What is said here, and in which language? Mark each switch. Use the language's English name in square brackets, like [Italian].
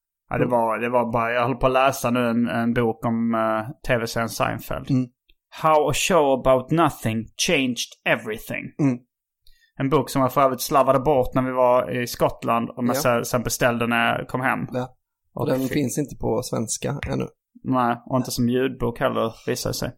[Swedish] Ja, det var bara, jag håller på att läsa nu en bok om tv-serien Seinfeld. Mm. [English] How a show about nothing changed everything. Mm. [Swedish] En bok som jag för övrigt slavade bort när vi var i Skottland och sen beställde när jag kom hem. Ja. Och den finns inte på svenska ännu. Nej, och inte som ljudbok heller, visar sig.